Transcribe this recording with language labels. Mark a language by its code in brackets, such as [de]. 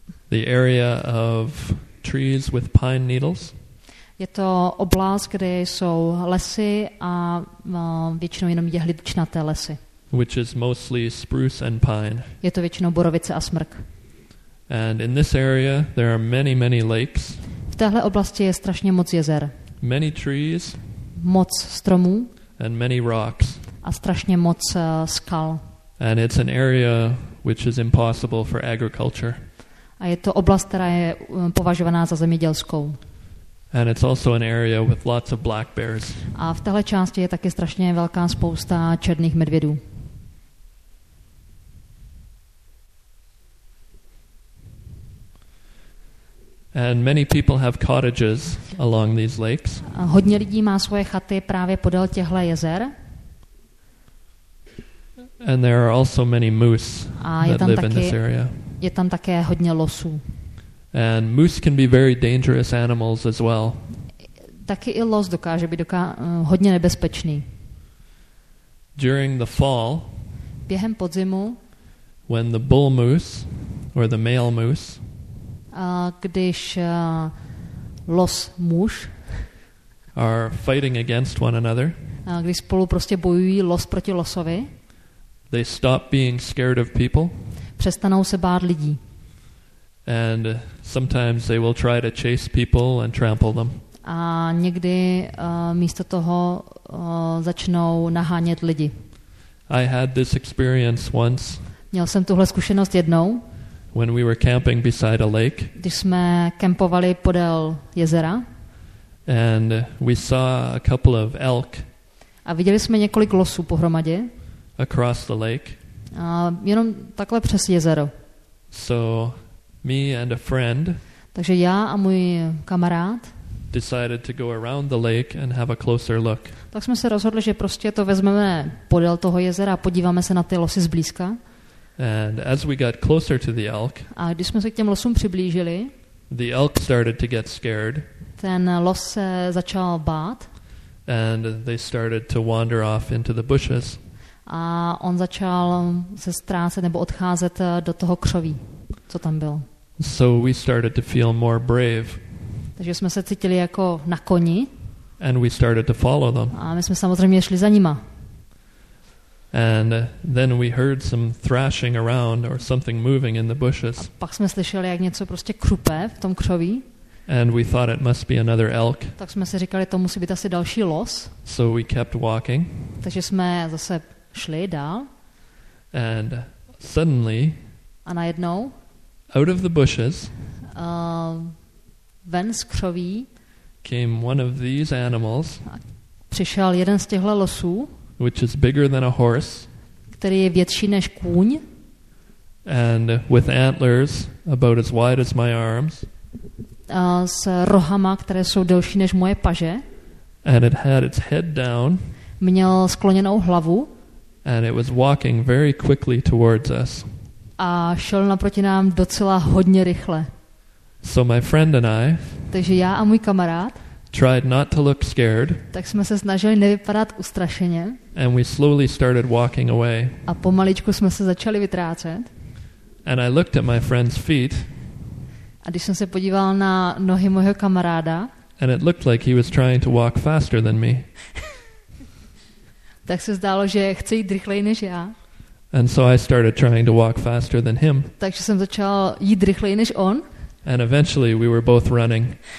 [en] the area of trees with pine needles. [cs] Je to oblast, kde jsou lesy a většinou jenom jehličnaté lesy. [en] Which is mostly spruce and pine. [cs] Je to většinou borovice a smrk. [en] And in this area there are many, many lakes. [cs] V téhle oblasti je strašně moc jezer. [en] Many trees. [cs] Moc stromů. [en] And many rocks. [cs] A strašně moc skal. [en] And it's an area which is impossible for agriculture. [cs] A je to oblast, která je považovaná za zemědělskou. [en] And it's also an area with lots of black bears. [cs] A v téhle části je taky strašně velká spousta černých medvědů. [en] And many people have cottages along these lakes. [cs] A hodně lidí má svoje chaty právě podél těchto jezer. [en] And there are also many moose that live [cs] taky, [en] in this area. [cs] Je tam také hodně losů. [en] And moose can be very dangerous animals as well. [cs] Taky i los dokáže být hodně nebezpečný. [en] During the fall, [cs] během podzimu, [en] when the bull moose or the male moose, [cs] když los muž [en] are fighting against one another, [cs] když spolu prostě bojují los proti losovi, [en] they stop being scared of people. [cs] Přestanou se bát lidí. [en] And sometimes they will try to chase people and trample them. [cs] A někdy místo toho začnou nahánět lidi. [en] I had this experience once. [cs] Měl jsem tuhle zkušenost jednou. [en] When we were camping beside a lake. [cs] Když jsme kempovali podél jezera. [en] And we saw a couple of elk. [cs] A viděli jsme několik losů pohromadě. [en] Across the lake. [cs] A jenom takhle přes jezero. [en] So me and a friend. [cs] Takže já a můj kamarád [en] decided to go around the lake and have a closer look. [cs] Tak jsme se rozhodli, že prostě to vezmeme podél toho jezera a podíváme se na ty losy zblízka. [en] And as we got closer to the elk, [cs] a když jsme se k těm losům přiblížili, [en] the elk started to get scared. [cs] Ten los se začal bát. [en] And they started to wander off into the bushes. [cs] A on začal se ztrácet nebo odcházet do toho křoví, co tam byl. [en] So we started to feel more brave. [cs] Takže jsme se cítili jako na koni. [en] And we started to follow them. [cs] A my jsme samozřejmě šli za nima. [en] And then we heard some thrashing around or something moving in the bushes. [cs] A pak jsme slyšeli, jak něco prostě krupe v tom křoví. [en] And we thought it must be another elk. [cs] Tak jsme si říkali, to musí být asi další los. [en] So we kept walking. [cs] Takže jsme zase šli dál. [en] And suddenly, [cs] a najednou, [en] out of the bushes, [cs] ven z křoví, [en] came one of these animals. [cs] Přišel jeden z těchto losů. [en] Which is bigger than a horse. [cs] Který je větší než kůň. [en] And with antlers about as wide as my arms. [cs] A s rohama, které jsou delší než moje paže. [en] And it had its head down. [cs] Měl skloněnou hlavu. [en] And it was walking very quickly towards us. [cs] A šel naproti nám docela hodně rychle. [en] So my friend and I. [cs] Takže já a můj kamarád. [en] Tried not to look scared. [cs] Tak jsme se snažili nevypadat ustrašeně. [en] And we slowly started walking away. [cs] A pomaličku jsme se začali vytrácet. [en] And I looked at my friend's feet. [cs] A když jsem se podíval na nohy mojho kamaráda. [en] And it looked like he was trying to walk faster than me. [cs] Tak se zdálo, že chce jít rychleji než já. [en] And so I started trying to walk faster than him. [cs] Takže jsem začal jít rychleji než on. [en] And eventually we were both running.